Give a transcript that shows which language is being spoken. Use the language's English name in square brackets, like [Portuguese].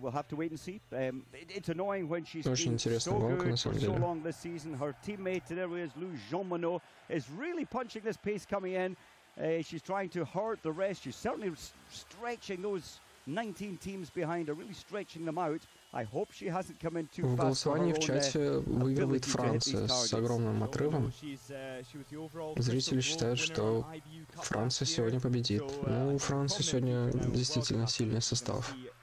[Russian] Очень интересная гонка, на самом деле. [English] Her teammate, there is Lou Jean-Mano, is really punching this pace coming in. She's trying to hurt the rest. She's certainly stretching those 19 teams behind her, really stretching them out. I hope she hasn't come in too fast. [Russian] В голосовании в чате выигрывает Франция с огромным отрывом. Зрители считают, что Франция сегодня победит. Ну, у Франции сегодня действительно сильный состав.